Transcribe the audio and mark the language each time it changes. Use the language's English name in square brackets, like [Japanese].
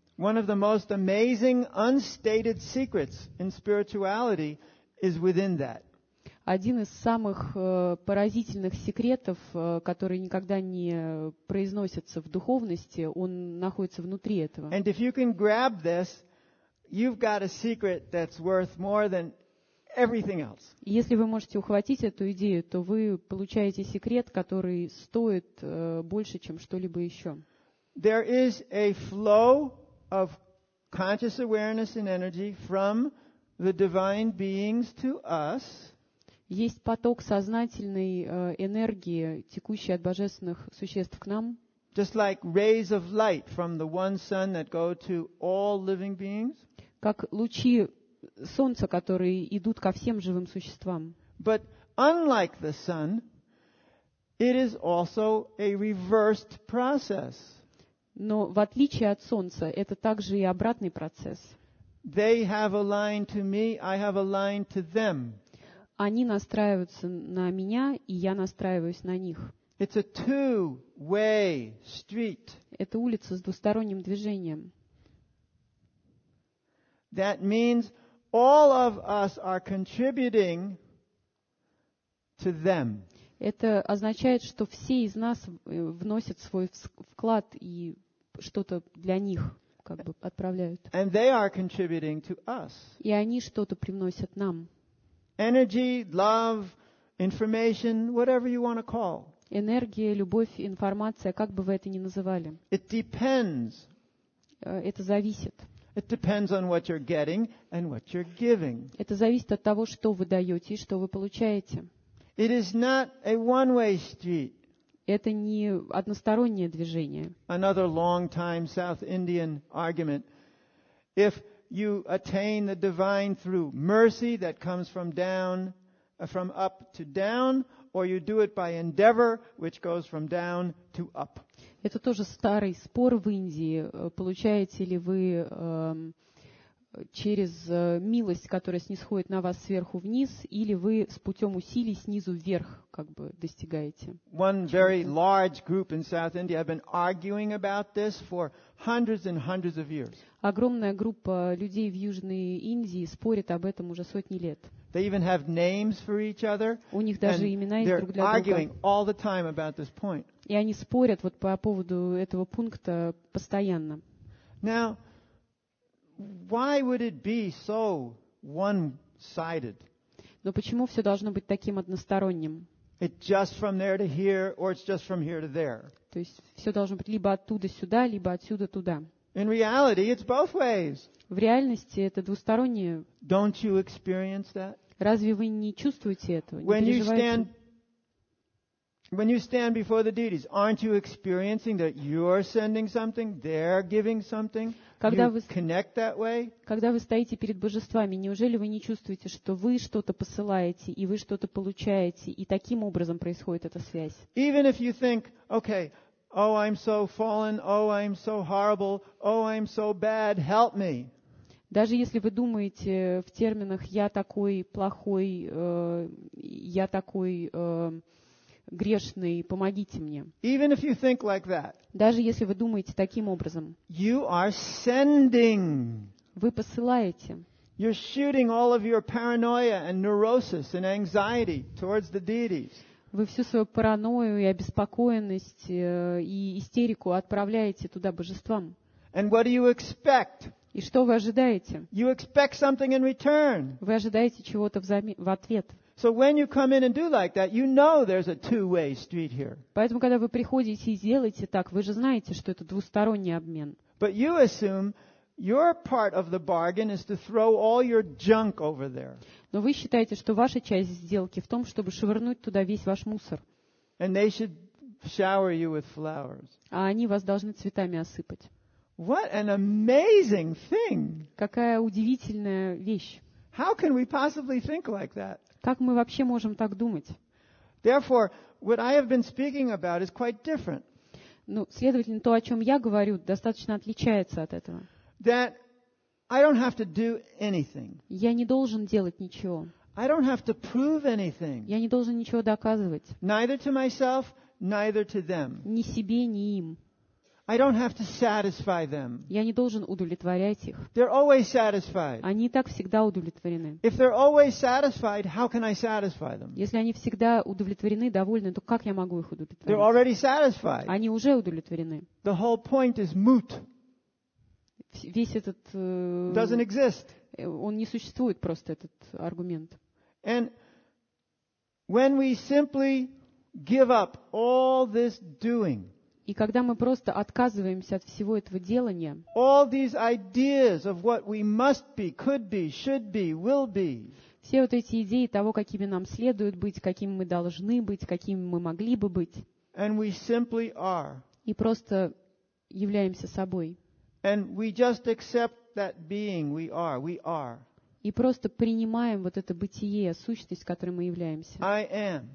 [English] One of the most amazing unstated secrets in spirituality is within that. [Russian] Один из самых поразительных секретов, который никогда не произносится в духовности, он находится внутри этого. [English] And if you can grab this, you've got a secret that's worth more than everything else. [Russian] Если вы можете ухватить эту идею, то вы получаете секрет, который стоит больше, чем что-либо еще. [English] There is a flow of conscious awareness and energy from the divine beings to us. [Russian] Есть поток сознательной энергии, текущей от божественных существ к нам. [English] Just like rays of light from the one sun that go to all living beings. [Russian] Как лучи солнца, которые идут ко всем живым существам. [English] But unlike the sun, it is also a reversed process. [Russian] Но в отличие от солнца, это также и обратный процесс. [English] They have a line to me, I have a line to them. [Russian] Они настраиваются на меня, и я настраиваюсь на них. [English] It's a two-way street. [Russian] Это улица с двусторонним движением. [English] That means all of us are contributing to them. [Russian] Это означает, что все из нас вносят свой вклад и что-то для них как бы отправляют. [English] And they are contributing to us. [Russian] И они что-то привносят нам. [English] Energy, love, information, whatever you want to call. [Russian] Энергия, любовь, информация, как бы вы это ни называли. [English] It depends. [Russian] Это зависит. [English] It depends on what you're getting and what you're giving. [Russian] Это зависит от того, что вы даете и что вы получаете. [English] It is not a one-way street. [Russian] Это не одностороннее движение. [English] Another long-time South Indian argument. If you attain the divine through mercy that comes from down, from up to down, or you do it by endeavor, which goes from down to up. [Russian] Это тоже старый спор в Индии. Получаете ли вы через милость, которая снисходит на вас сверху вниз, или вы с путем усилий снизу вверх как бы достигаете? [English] One very large group in South India have been arguing about this for hundreds and hundreds of years. [Russian] Огромная группа людей в Южной Индии спорит об этом уже сотни лет. [English] They even have names for each other. [Russian] У них даже имена есть друг для друга. [English] They're arguing all the time about this point. [Russian] И они спорят вот по поводу этого пункта постоянно. [English] Now, why would it be so one-sided? [Russian] Но почему все должно быть таким односторонним? [English] It's just from there to here, or it's just from here to there. [Russian] То есть все должно быть либо оттуда сюда, либо отсюда туда. [English] In reality, it's both ways. [Russian] В реальности это двустороннее. [English] Don't you experience that? [Russian] Разве вы не чувствуете этого? [English] When you stand before the deities, aren't you experiencing that you're sending something, they're giving something? [Russian] Когда вы стоите перед божествами, неужели вы не чувствуете, что вы что-то посылаете и вы что-то получаете, и таким образом происходит эта связь? [English] Even if you think, okay, oh, I'm so fallen, oh, I'm so horrible, oh, I'm so bad, help me. [Russian] Даже если вы думаете в терминах «я такой плохой», «я такой грешный, помогите мне». [English] Even if you think like that, [Russian] даже если вы думаете таким образом, [English] you are sending. [Russian] Вы посылаете. [English] You're shooting all of your paranoia and neurosis and anxiety towards the deities. [Russian] Вы всю свою паранойю и обеспокоенность и истерику отправляете туда божествам. [English] And what do you expect? [Russian] И что вы ожидаете? [English] You expect something in return. [Russian] Вы ожидаете чего-то в ответ. [English] So when you come in and do like that, you know there's a two-way street here. [Russian] Поэтому когда вы приходите и делаете так, вы же знаете, что это двусторонний обмен. [English] But you assume Your part of the bargain is to throw all your junk over there. [Russian] Но вы считаете, что ваша часть сделки в том, чтобы швырнуть туда весь ваш мусор. [English] And they should shower you with flowers. [Russian] А они вас должны цветами осыпать. [English] What an amazing thing! [Russian] Какая удивительная вещь. [English] How can we possibly think like that? [Russian] Как мы вообще можем так думать? [English] Therefore, what I have been speaking about is quite different. [Russian] Ну, следовательно, то, о чем я говорю, достаточно отличается от этого. [English] That I don't have to do anything. [Russian] Я не должен делать ничего. [English] I don't have to prove anything. [Russian] Я не должен ничего доказывать. [English] Neither to myself, neither to them. [Russian] Ни себе, ни им. [English] I don't have to satisfy them. [Russian] Я не должен удовлетворять их. [English] They're always satisfied. [Russian] Они так всегда удовлетворены. [English] If they're always satisfied, how can I satisfy them? [Russian] Если они всегда удовлетворены, довольны, то как я могу их удовлетворить? [English] They're already satisfied. [Russian] Они уже удовлетворены. [English] The whole point is moot. [Russian] Весь этот [English] doesn't exist. [Russian] Он не существует просто этот аргумент. [English] And when we simply give up all this doing. [Russian] И когда мы просто отказываемся от всего этого делания, все вот эти идеи того, какими нам следует быть, каким мы должны быть, каким мы могли бы быть, и просто являемся собой, и просто принимаем вот это бытие, сущность, которой мы являемся.